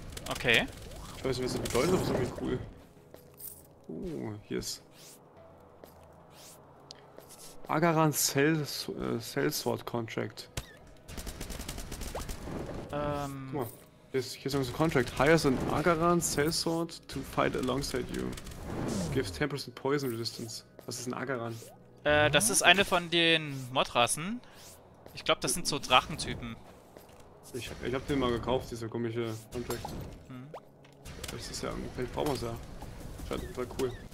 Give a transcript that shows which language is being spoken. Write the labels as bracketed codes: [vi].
[de] Okay. Ich weiß nicht, was das bedeutet, aber ist irgendwie cool. Hier ist Agaran Sellsword Contract. Guck mal, hier ist ein Contract. [en] Hires an Agaran Sellsword to fight alongside you. Gives 10% Poison Resistance. [de] Was ist ein Agaran? Das ist eine von den Modrassen. Ich glaube, das sind so Drachentypen. Ich hab den mal gekauft, dieser komische Contract. Das ist ja ein Performance, ja. Das war cool.